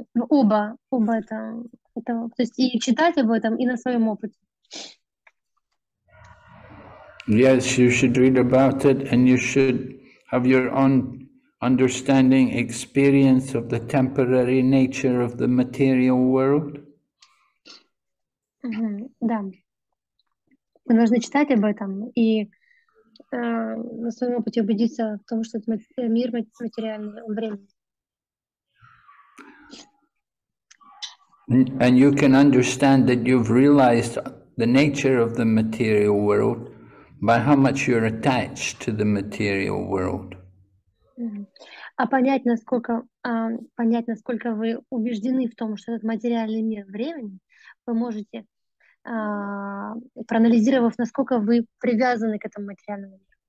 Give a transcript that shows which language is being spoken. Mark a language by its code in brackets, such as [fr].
[ru] Оба это, то есть и читать об этом, и на своем опыте. [en] Yes, you should read about it, and you should have your own understanding experience of the temporary nature of the material world? [ru] Да. Мы должны читать об этом и на своем пути убедиться в том, что мир материальный, он временный. [en] And you can understand that you've realized the nature of the material world by how much you're attached to the material world. [ru] А понять, насколько вы убеждены в том, что этот материальный мир временный, вы можете, проанализировав, насколько вы привязаны к этому материальному миру.